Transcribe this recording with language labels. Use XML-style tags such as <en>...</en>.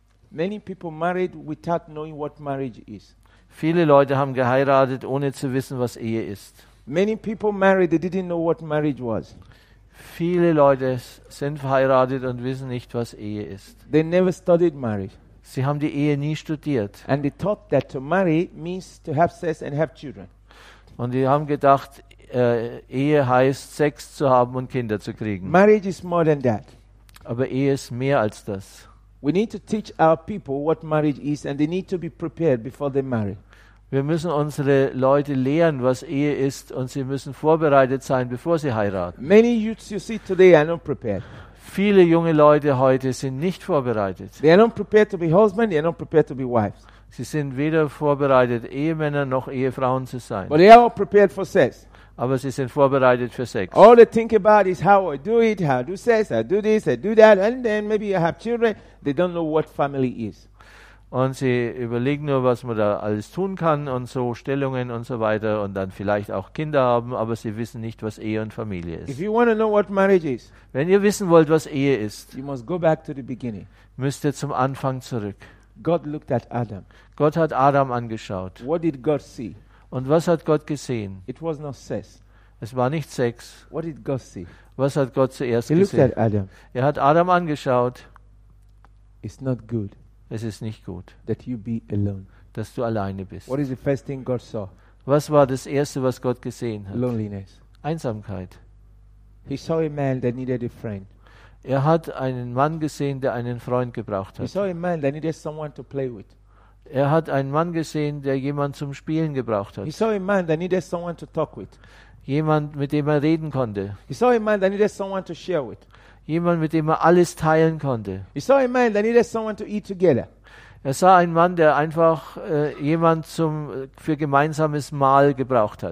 <en>Many people married without knowing what marriage is.</en> <de>Viele Leute haben geheiratet, ohne zu wissen, was Ehe ist.</de> <en>Many people married, they didn't know what marriage was.</en> <de>Viele Leute sind verheiratet und wissen nicht, was Ehe ist.</de> <en>They never studied marriage.</en> <de>Sie haben die Ehe nie studiert.</de> <en>And they thought that to marry means to have sex and have children.</en> <de>Und die haben gedacht, Ehe heißt Sex zu haben und Kinder zu kriegen.</de> <en>Marriage is more than that.</en> <de>Aber Ehe ist mehr als das.</de> <en>We need to teach our people what marriage is and they need to be prepared before they marry.</en> <de>Wir müssen unsere Leute lehren, was Ehe ist und sie müssen vorbereitet sein, bevor sie heiraten.</de> <en>Many youths you see today are not prepared.</en> <de>Viele junge Leute heute sind nicht vorbereitet.</de> <en>They are not prepared to be husband, they are not prepared to be wives.</en> <de>Sie sind weder vorbereitet, Ehemänner noch Ehefrauen zu sein.</de> <en>But they are all prepared for sex.</en> <de>Aber sie sind vorbereitet für Sex.</de> <en>All they think about is how I do it, how I do sex, I do this, I do that, and then maybe I have children. They don't know what family is.</en> <de>Und sie überlegen nur, was man da alles tun kann und so Stellungen und so weiter und dann vielleicht auch Kinder haben, aber sie wissen nicht, was Ehe und Familie ist.</de> <en>If you want to know what marriage is,</en> <de>wenn ihr wissen wollt, was Ehe ist,</de> <en>you must go back to the beginning.</en> <de>Müsst ihr zum Anfang zurück.</de> <en>God looked at Adam.</en> <de>Gott hat Adam angeschaut.</de> <en>What did God see?</en> <de>Und was hat Gott gesehen?</de> <en>It was not sex.</en> <de>Es war nicht Sex.</de> <en>What did God see?</en> <de>Was hat Gott zuerst</de> <en>he</en> <de>gesehen?</de> <en>Looked at Adam.</en> <de>Er hat Adam angeschaut.</de> <en>It's not good.</en> <de>Es ist nicht gut.</de> <en>That you be alone.</en> <de>Dass du alleine bist.</de> <en>What is the first thing God saw?</en> <de>Was war das erste, was Gott gesehen hat?</de> <en>Loneliness.</en> <de>Einsamkeit.</de> <en>He saw a man that needed a friend.</en> <de>Er hat einen Mann gesehen, der einen Freund gebraucht hat.</de> <en>He saw a man that needed someone to play with.</en> <de>Er hat einen Mann gesehen, der jemanden zum Spielen gebraucht hat.</de> <en>He saw a man that needed someone to talk with.</en> <de>Jemand, mit dem er reden konnte.</de> <en>He saw a man that needed someone to share with.</en> <de>Jemand, mit dem er alles teilen konnte.</de> <en>He saw a man that needed someone to eat together.</en> <de>Er sah einen Mann, der einfach jemand zum für gemeinsames Mahl gebraucht hat.</de>